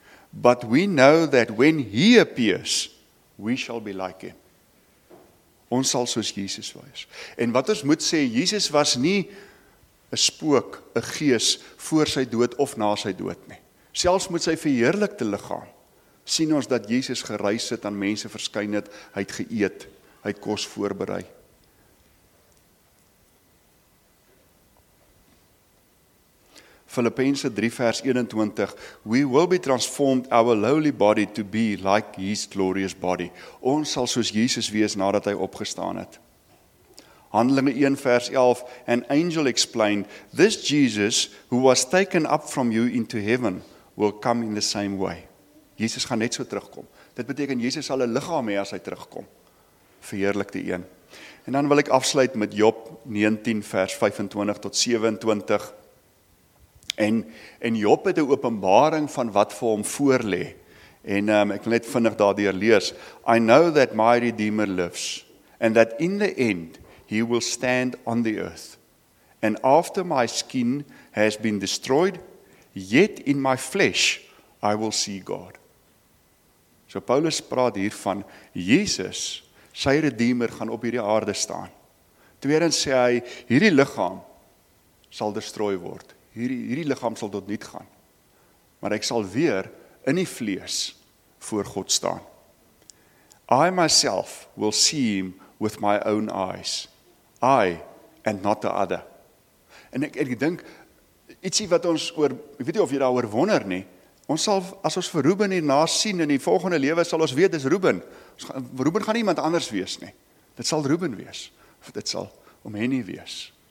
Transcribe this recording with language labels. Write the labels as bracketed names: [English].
[English] But we know that when He appears, we shall be like Him. [Afrikaans] Ons sal soos Jesus wees. En wat ons moet sê, Jesus was nie 'n spook, 'n gees, voor sy dood of na sy dood nie. Selfs met sy verheerlikte liggaam, sien ons dat Jesus gereis het, aan mense verskyn het, hy het geëet, hy het kos voorberei. [English] Filippense 3 vers 21, We will be transformed our lowly body to be like His glorious body. [Afrikaans] Ons sal soos Jesus wees nadat hy opgestaan het. [English] Handelinge 1 vers 11, An angel explained, This Jesus who was taken up from you into heaven will come in the same way. [Afrikaans] Jesus gaan net so terugkom. Dit beteken, Jesus sal 'n liggaam hê as hy terugkom. Verheerlikte een. En dan wil ek afsluit met Job 19 vers 25 tot 27, En Job het 'n openbaring van wat vir hom voorlê. En ek wil net vinnig daardeur lees. [English] I know that my Redeemer lives, and that in the end he will stand on the earth. And after my skin has been destroyed, yet in my flesh I will see God. [Afrikaans] So Paulus praat hier van Jesus, sy Redeemer gaan op hierdie aarde staan. Tweedens sê hy, hierdie liggaam sal destrooi word. Hierdie liggaam sal tot niet gaan. Maar ek sal weer in die vlees voor God staan. [English] I myself will see him with my own eyes. I and not the other. [Afrikaans] En ek dink, ietsie wat ons oor, ek weet nie of jy daar oor wonder nie, ons sal, as ons vir Ruben hierna sien in die volgende lewe, sal ons weet, dis Ruben. Ruben gaan iemand anders wees nie. Dit sal Ruben wees. Of dit sal om hy nie wees.